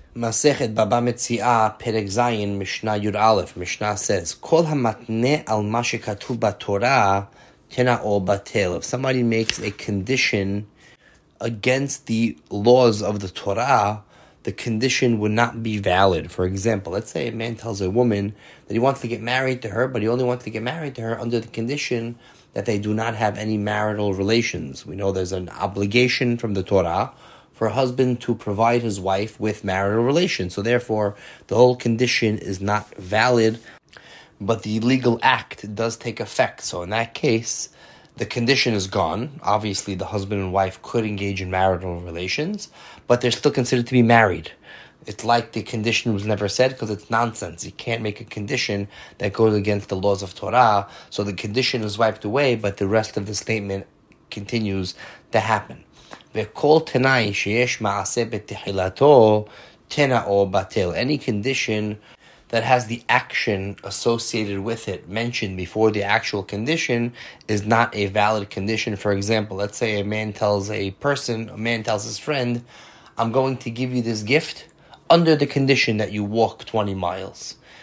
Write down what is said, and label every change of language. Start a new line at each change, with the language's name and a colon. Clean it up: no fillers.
Hebrew: מסכת בבא מציעה פרק זין משנה יור א', משנה סס, כל המתנה על מה שכתוב בתורה תנאו בטל.
English: If somebody makes a condition against the laws of the Torah, the condition would not be valid. For example, let's say a man tells a woman that he wants to get married to her, but he only wants to get married to her under the condition that they do not have any marital relations. We know there's an obligation from the Torah for a husband to provide his wife with marital relations. So therefore, the whole condition is not valid, but the legal act does take effect. So in that case, the condition is gone. Obviously, the husband and wife could engage in marital relations, but they're still considered to be married. It's like the condition was never said because it's nonsense. You can't make a condition that goes against the laws of Torah. So the condition is wiped away, but the rest of the statement continues to happen.
Hebrew: וכל תנאי שיש מעשה בתחילתו תנאו בטל.
English: Any condition that has the action associated with it mentioned before the actual condition is not a valid condition. For example, let's say a man tells his friend, I'm going to give you this gift under the condition that you walk 20 miles.